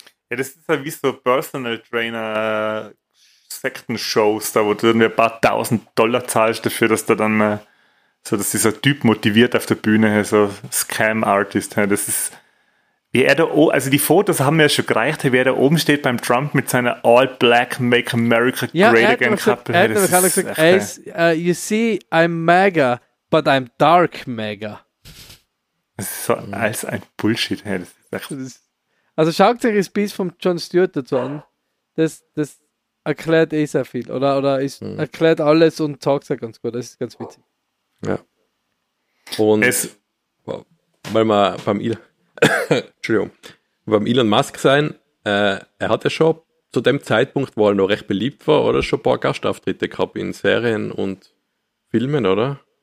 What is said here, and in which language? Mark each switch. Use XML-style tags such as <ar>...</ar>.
<de>Ja, das ist ja wie so Personal Trainer Sekten-Shows, da wo du dann ein paar tausend Dollar zahlst dafür, dass du dann. So, dass dieser Typ motiviert auf der Bühne, so Scam-Artist, das ist, wie er da oben, also die Fotos haben mir ja schon gereicht, wie er da oben steht beim Trump mit seiner All Black</de> <en>Make America Great,</en> <de>ja, er hat</de> <en>Again Couple. You see, I'm mega, but I'm dark mega.</en> <de>Das ist so als ein Bullshit, hey, das ist echt. Also schaut euch das Piece von John Stewart dazu an. Das erklärt eh sehr viel. Oder ist erklärt alles und sagt es ja ganz gut. Das ist ganz witzig. Ja. Und es, weil wir beim Elon Musk sein, er hat ja schon zu dem Zeitpunkt, wo er noch recht beliebt war, oder schon ein paar Gastauftritte gehabt in Serien und Filmen, oder?</de>